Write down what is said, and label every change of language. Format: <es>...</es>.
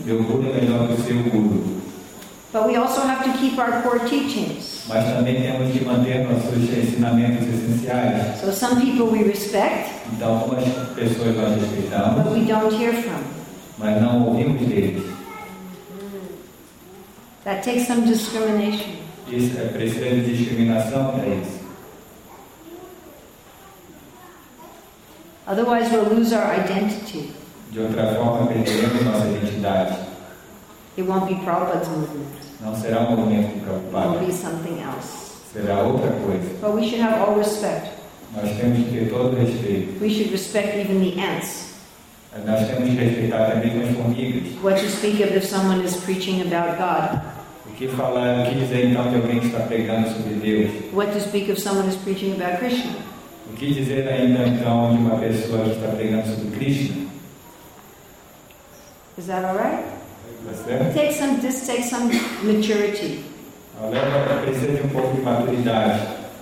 <pt>Meu guru é melhor que o seu guru.</pt> <en>But we also have to keep our core teachings.</en> <pt>Mas também temos que manter nossos ensinamentos essenciais.</pt> <en>So some people we respect.</en> <pt>Então algumas pessoas nós respeitamos.</pt> <en>But we don't hear from.</en> <pt>Mas não ouvimos deles.</pt> <en>That takes some discrimination.</en> <pt>Isso é precisa de discriminação para isso.</pt> <en>Otherwise, we'll lose our identity.</en> <pt>De outra forma, perderemos nossa identidade.</pt> <en>It won't be Prabhupada's movement.</en> <pt>Não será movimento de Prabhupada.</pt> <en>It will be something else.</en> <pt>Será outra coisa.</pt> <en>But we should have all respect.</en> <pt>Nós temos que ter todo respeito.</pt> <en>We should respect even the ants.</en> <pt>Nós temos que respeitar também as formigas.</pt> <en>What to speak of if someone is preaching about God?</en> <pt>O que falar, o que dizer então de alguém que está pregando sobre Deus?</pt> <en>What to speak of someone is preaching about Krishna?</en> <pt>O que dizer ainda então de uma pessoa que está pregando sobre Krishna?</pt> <en>Is that all right?</en> <pt>Está certo?</pt> <en>Take some maturity.</en> <pt>Precisa de um pouco de maturidade.</pt>